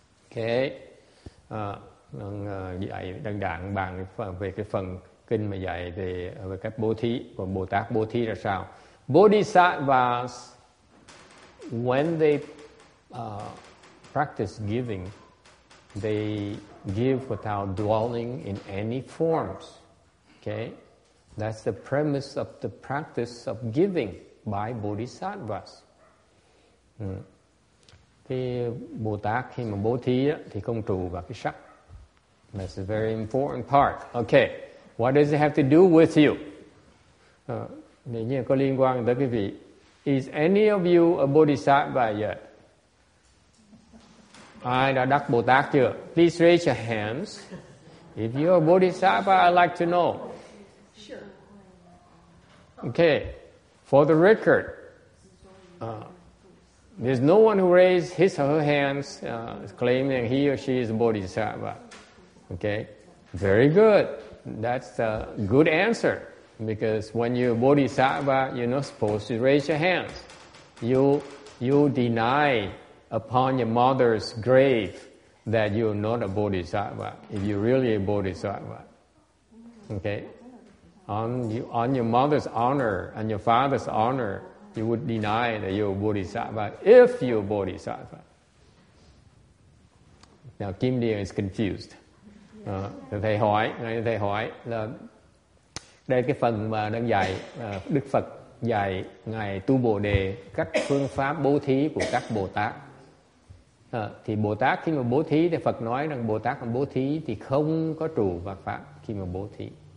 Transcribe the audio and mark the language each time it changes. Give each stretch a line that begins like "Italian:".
Vietnamese: Okay, đang đàn bàn về cái phần kinh mà dạy về về cách bố thí, còn Bồ Tát bố thí là sao?
English: Bodhisattvas, when they practice giving, they give without dwelling in any forms. Okay, that's the premise of the practice of giving by bodhisattvas.
Vietnamese: Cái Bồ Tát khi mà bố thí á, thì không trụ vào cái sắc.
English: That's a very important part. Okay, what does it have to do with you?
Vietnamese: Nếu như có liên quan tới quý vị,
English: is any of you a bodhisattva yet?
Vietnamese: Ai đã đắc Bồ Tát chưa?
English: Please raise your hands. If you are a bodhisattva, I'd like to know. Okay, for the record, there's no one who raised his or her hands claiming he or she is a bodhisattva. Okay, very good. That's a good answer. Because when you're a bodhisattva, you're not supposed to raise your hands. You deny upon your mother's grave that you're not a bodhisattva, if you're really a bodhisattva. Okay? On your mother's honor and your father's honor, you would deny that you're a bodhisattva if you're a bodhisattva. Now, Kim Dian is confused.
Vietnamese: Thầy hỏi, là đây cái phần mà đang dạy Đức Phật dạy ngài tu Bồ Đề các phương pháp bố thí của các Bồ Tát. Thì Bồ Tát khi mà bố thí thì Phật nói rằng Bồ Tát mà bố thí thì không có trụ vào pháp khi mà bố thí.